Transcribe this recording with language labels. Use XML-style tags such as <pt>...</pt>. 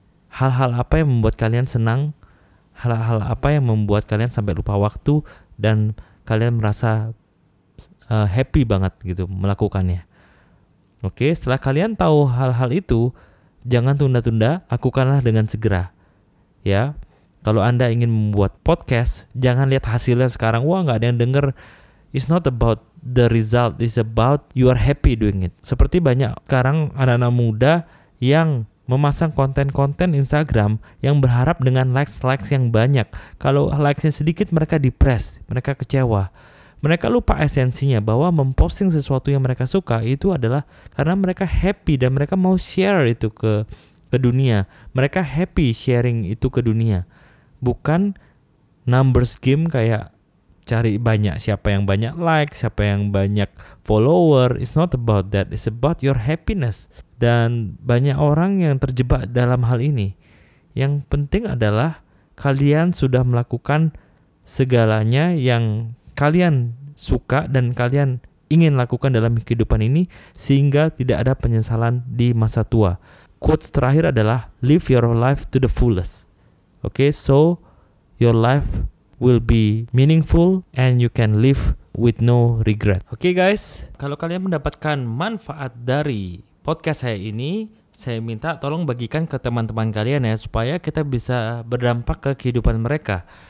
<id>Hal-hal apa yang membuat kalian senang, hal-hal apa yang membuat kalian sampai lupa waktu dan kalian merasa happy banget gitu melakukannya. Oke, setelah kalian tahu hal-hal itu, jangan tunda-tunda, lakukanlah dengan segera. Ya, kalau Anda ingin membuat podcast, jangan lihat hasilnya sekarang, wah gak ada yang denger.</id> <en>It's not about the result, it's about you are happy doing it.</en> <id>Seperti banyak sekarang anak-anak muda yang memasang konten-konten Instagram yang berharap dengan likes-likes yang banyak. Kalau likes-nya sedikit, mereka depres, mereka kecewa. Mereka lupa esensinya bahwa memposting sesuatu yang mereka suka itu adalah karena mereka happy dan mereka mau share itu ke dunia. Mereka happy sharing itu ke dunia. Bukan numbers game kayak cari banyak, siapa yang banyak likes, siapa yang banyak follower.</id> <en>It's not about that, it's about your happiness.</en> <id>Dan banyak orang yang terjebak dalam hal ini. Yang penting adalah kalian sudah melakukan segalanya yang kalian suka dan kalian ingin lakukan dalam kehidupan ini sehingga tidak ada penyesalan di masa tua. Quotes terakhir adalah</id> <en>live your life to the fullest. Okay, so your life will be meaningful and you can live with no regret.</en> <id>Okay guys, kalau kalian mendapatkan manfaat dari podcast saya ini, saya minta tolong bagikan ke teman-teman kalian ya, supaya kita bisa berdampak ke kehidupan mereka.</id>